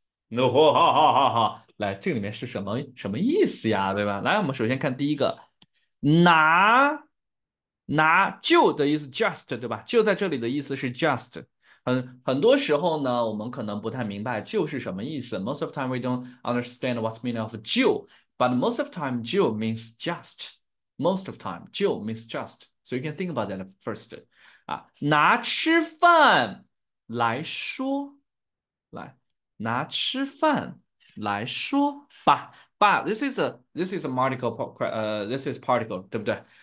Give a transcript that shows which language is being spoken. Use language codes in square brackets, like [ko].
[zh] 那嚯，哈哈哈哈！来，这里面是什么意思呀？对吧？来，我们首先看第一个，拿就的意思，just 对吧？就在这里的意思是 just。很多时候呢，我们可能不太明白就是什么意思。 [en] Most of the time we don't understand what's meaning of 就，but most of time 就 means just。 Most of time 就 means just。So you can think about that first。 [zh] 啊，拿吃饭来说，来拿吃饭来说吧。 [en] But this is a particle this is particle [zh] 对不对？